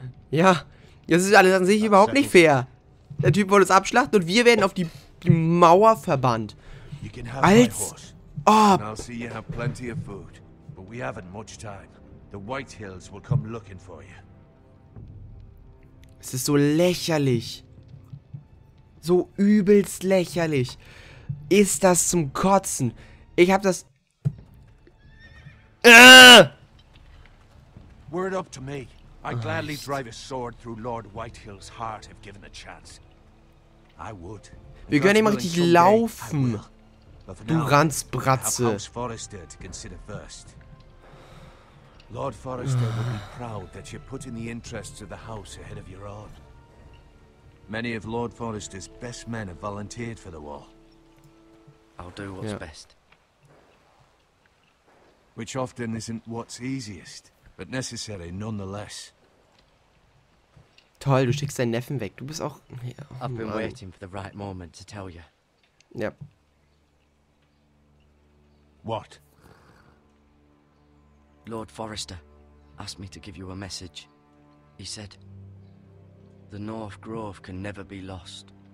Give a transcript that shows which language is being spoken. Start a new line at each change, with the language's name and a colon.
German: Ja, das ist alles an sich überhaupt nicht fair. Der Typ wollte uns abschlachten und wir werden auf die Mauer verbannt. Als ob.
English: I'll see you have plenty of food, but we haven't much time. The White Hills will come looking for you.
German: Es ist so lächerlich. So übelst lächerlich. Ist das zum Kotzen? Ich hab das.
English: Word up to me. I'd gladly drive a sword through Lord Whitehill's heart if given a chance. I would.
German: Wir können ihm richtig laufen. Du Ranzbratze.
English: Lord Forrester to consider first. Lord Forrester would be proud that you're putting the interests of the house ahead of your own. Many of Lord Forrester's best men have volunteered for the war. I'll do what's best. Which often isn't what's easiest, but necessary nonetheless.
German: Toll, du schickst deinen Neffen weg. Du bist auch. Ja,
English: I've been waiting for the right moment to tell you. Yep. What? Lord Forrester asked me to give you a message. He said, the North Grove can never be lost.